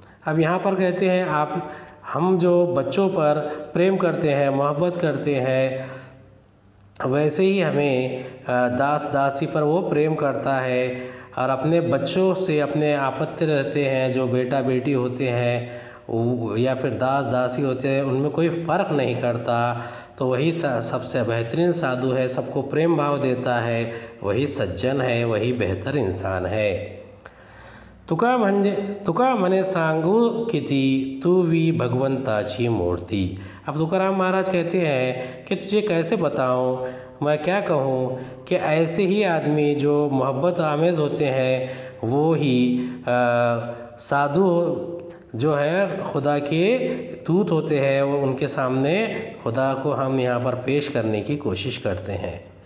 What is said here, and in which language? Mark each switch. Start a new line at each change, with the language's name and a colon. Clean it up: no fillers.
Hindi: अब यहाँ पर कहते हैं आप हम जो बच्चों पर प्रेम करते हैं, मोहब्बत करते हैं, वैसे ही हमें दास दासी पर वो प्रेम करता है, और अपने बच्चों से अपने आपत्ति रहते हैं, जो बेटा बेटी होते हैं या फिर दास दासी होते हैं उनमें कोई फ़र्क नहीं करता। तो वही सबसे बेहतरीन साधु है, सबको प्रेम भाव देता है, वही सज्जन है, वही बेहतर इंसान है।
Marathi: तुका मने सांगू किति तू वी भगवंताची मूर्ति।
Hindi: अब तुकाराम महाराज कहते हैं कि तुझे कैसे बताऊं, मैं क्या कहूं कि ऐसे ही आदमी जो मोहब्बत आमेज होते हैं वो ही साधु जो है खुदा के दूत होते हैं, वो उनके सामने खुदा को हम यहाँ पर पेश करने की कोशिश करते हैं।